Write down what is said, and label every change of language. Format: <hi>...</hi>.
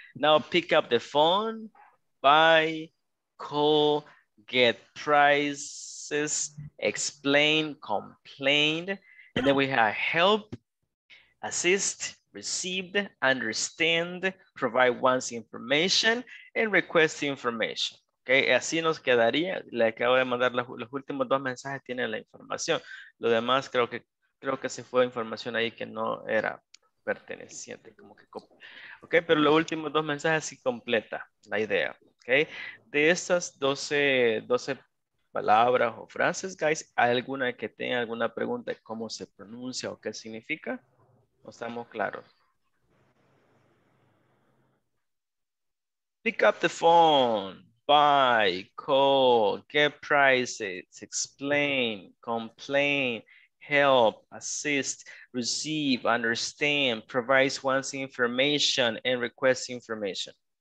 <en>Now pick up the phone, buy, call, get price, explain, complained, and then we have help, assist, received, understand, provide one's information, and request information.</en> <es>Okay, así nos quedaría. Le acabo de mandar los últimos dos mensajes, tienen la información. Lo demás creo que se fue información ahí que no era perteneciente, como que copia. Okay, pero los últimos dos mensajes sí completa la idea. Okay, de estas 12 palabras o frases, guys, ¿hay alguna que tenga alguna pregunta de cómo se pronuncia o qué significa? ¿O estamos claros?</es> <en>Pick up the phone, buy, call, get prices, explain, complain, help, assist, receive, understand, provide one's information, and request information.</en>